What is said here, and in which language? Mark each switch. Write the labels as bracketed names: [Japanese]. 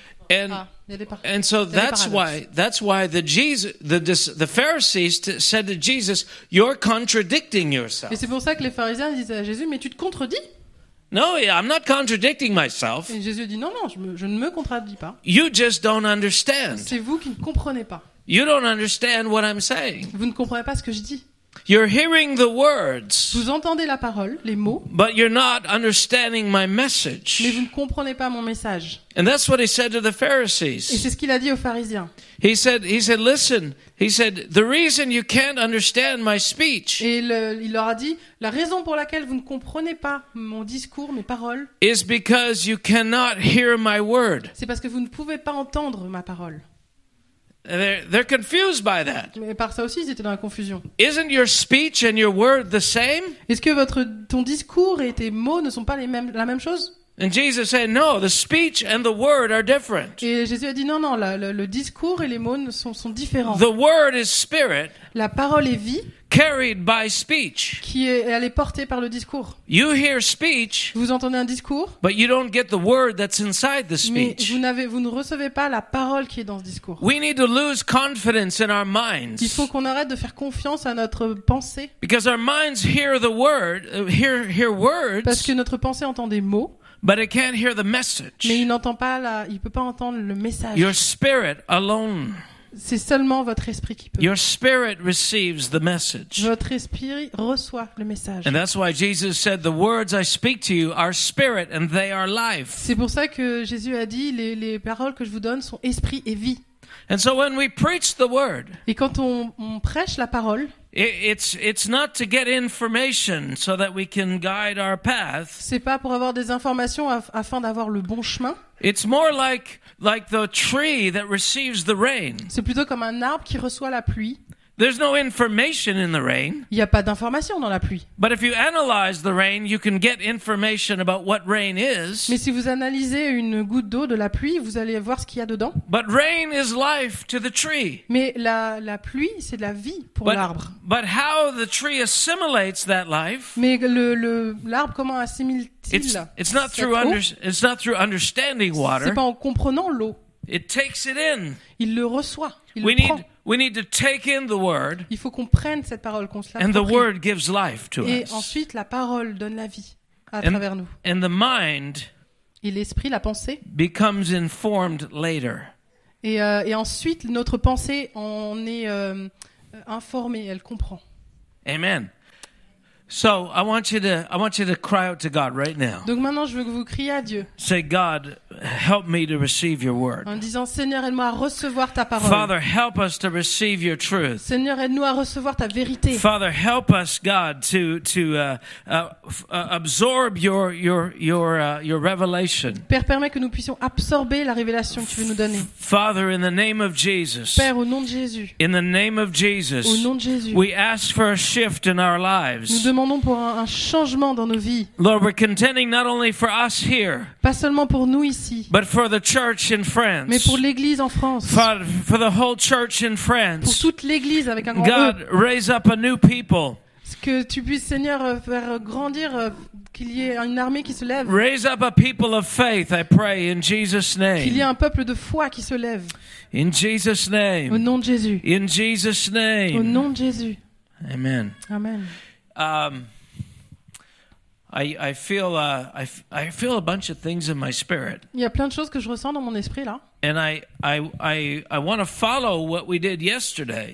[English] And, and so that's why the Pharisees said to Jesus, "You're contradicting yourself." [French] Et c'est pour ça que les pharisiens disaient à Jésus, mais tu te contredis. [English] No, I'm not contradicting myself. [French] Et Jésus dit non, je ne me contredis pas. [English] You just don't understand. [French] C'est vous qui ne comprenez pas. [English] You don't understand what I'm saying. [French] Vous ne comprenez pas ce que je dis. [English] You're hearing the words. [French] Vous entendez la parole, les mots. [English] But you're not understanding my message. [French] Mais vous ne comprenez pas mon message. [English] And that's what he said to the Pharisees. [French] Et c'est ce qu'il a dit aux pharisiens. [English] He said, listen. He said, the reason you can't understand my speech. [French] Et il leur a dit, la raison pour laquelle vous ne comprenez pas mon discours, mes paroles. [English] Is because you cannot hear my word. [French] C'est parce que vous ne pouvez pas entendre ma parole. [English] They're confused by that. [French] Mais par ça aussi, ils étaient dans la confusion. [English] Isn't your speech and your word the same? [French] Est-ce que ton discours et tes mots ne sont pas la même chose? [English] And Jesus said, no, the speech and the word are different. [French] Et Jésus a dit non, le discours et les mots sont différents. [English] The word is spirit. [French] La parole est vie. [English] Carried by speech. [French] Elle est portée par le discours. [English] You hear speech. [French] Vous entendez un discours. [English] But you don't get the word that's inside the speech. [French] Mais vous ne recevez pas la parole qui est dans ce discours. [English] We need to lose confidence in our minds. [French] Il faut qu'on arrête de faire confiance à notre pensée. [English] Because our minds hear the word, hear words. [French] Parce que notre pensée entend des mots. [English] But it can't hear the message. [French] Mais il peut pas entendre le message. [English] Your spirit alone. [French] C'est seulement votre esprit qui peut. [English] Your spirit receives the message. [French] Votre esprit reçoit le message. [English] And that's why Jesus said, "The words I speak to you are spirit, and they are life." [French] C'est pour ça que Jésus a dit, les paroles que je vous donne sont esprit et vie. [English] And so when we preach the word. [French] Et quand on prêche la parole. [English] It's not to get information so that we can guide our path. [French] C'est pas pour avoir des informations afin d'avoir le bon chemin. [English] It's more like the tree that receives the rain. [French] C'est plutôt comme un arbre qui reçoit la pluie. [English] There's no information in the rain. [French] Il y a pas d'information dans la pluie. [English] But if you analyze the rain, you can get information about what rain is. [French] Mais si vous analysez une goutte d'eau de la pluie, vous allez voir ce qu'il y a dedans. [English] But rain is life to the tree. [French] Mais la pluie, c'est de la vie pour l'arbre. [English] But how the tree assimilates that life? [French] Mais l'arbre comment assimile-t-il? [English] It's not through understanding water. [French] C'est pas en comprenant l'eau. [English] It takes it in. [French] Il le reçoit. [English] We need to take in the word. [French] Il faut qu'on prenne cette parole, qu'on se l'approprie. [English] And the word gives life to [French] et [English] us. [French] Ensuite, la parole donne la vie travers nous. [English] And the mind. [French] Et l'esprit, la pensée. [English] Becomes informed later. [French] Et ensuite, notre pensée en est informée, elle comprend. [English] Amen. So I want you to cry out to God right now. [French] Donc maintenant je veux que vous criez à Dieu. [English] Say God, help me to receive your word. [French] En disant Seigneur aide-moi à recevoir ta parole. [English] Father, help us to receive your truth. [French] Seigneur aide-nous à recevoir ta vérité. [English] Father, help us God to absorb your revelation. [French] Père, permets que nous puissions absorber la révélation que tu veux nous donner. [English] Father, in the name of Jesus. [French] Père, au nom de Jésus. [English] In the name of Jesus. [French] Au nom de Jésus. [English] We ask for a shift in our lives. [French] Nous demandons pour un changement dans nos vies. [English] Lord, we're contending not only for us here, [French] pas seulement pour nous ici, [English] but for the church in France, [French] mais pour l'Église en France, [English] for the whole church in France, [French] pour toute l'Église avec un grand [English] God, E. Raise up a new people. [French] Que tu puisses, Seigneur, faire grandir, qu'il y ait une armée qui se lève. [English] Raise up a people of faith, I pray, in Jesus' name. [French] Qu'il y ait un peuple de foi qui se lève. [English] In Jesus' name. [French] Au nom de Jésus. [English] In Jesus' name. [French] Au nom de Jésus. [English] Amen. [French] Amen. [English] I feel a bunch of things in my spirit. [French] Il y a plein de choses que je ressens dans mon esprit là. [English] And I want to follow what we did yesterday.